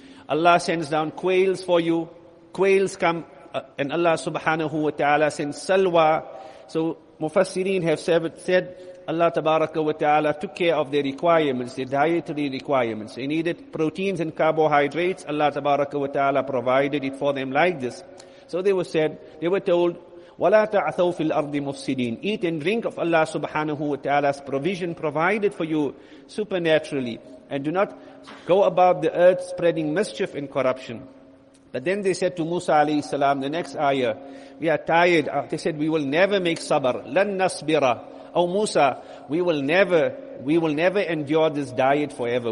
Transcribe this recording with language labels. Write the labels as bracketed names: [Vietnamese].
[English] Allah sends down quails for you. Quails come, and Allah subhanahu wa ta'ala sends salwa. So mufassirin have said, Allah tabaraka wa ta'ala took care of their requirements, their dietary requirements. They needed proteins and carbohydrates. Allah tabaraka wa ta'ala provided it for them like this. So they were told, [Arabic] وَلَا تَعْثَوْ فِي الْأَرْضِ مُفْسِدِينَ. [English] Eat and drink of Allah subhanahu wa ta'ala's provision provided for you supernaturally. And do not go about the earth spreading mischief and corruption. But then they said to Musa alayhi salam, the next ayah, we are tired. They said, we will never make sabr. [Arabic] لَن نَصْبِرَ. [English] Oh Musa, we will never endure this diet forever.